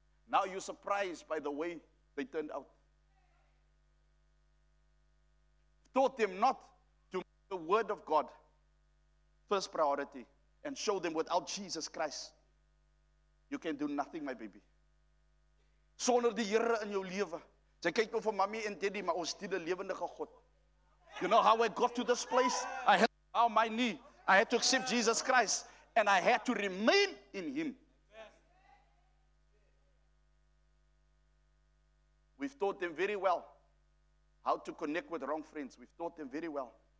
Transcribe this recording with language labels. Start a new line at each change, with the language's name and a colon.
English: Now you're surprised by the way they turned out. You've taught them not to make the word of God first priority. And show them without Jesus Christ, you can do nothing, my baby.
Afrikaans: Sonder die Here in jou lewe. Jy kyk nou vir mommy en daddy, maar ons dien 'n lewendige God.
English: You know how I got to this place? I had to bow my knee. I had to accept Jesus Christ. And I had to remain in him. We've taught them very well how to connect with wrong friends. We've taught them very well.